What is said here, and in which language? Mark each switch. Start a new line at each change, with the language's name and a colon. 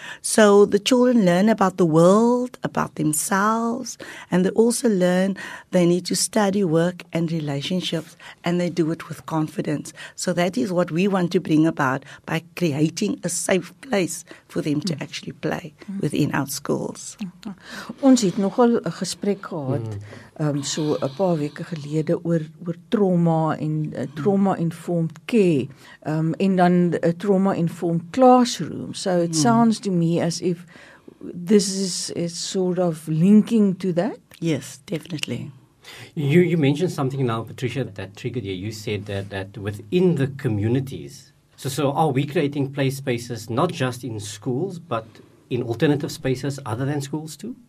English: So the children learn about the world, about themselves, and they also learn they need to study work and relationships, and they do it with confidence. So that is what we want to bring about by creating a safe place for them to actually play within our schools.
Afrikaans: Ons het nogal 'n gesprek gehad so 'n paar weke gelede oor trauma en trauma-informed care en dan trauma-informed classroom.
English: So it sounds to me as if this is sort of linking to that. Yes, definitely. You mentioned something now, Patricia, that triggered you. You said that within the communities. So are we creating play spaces not just in schools, but in alternative spaces other than schools too?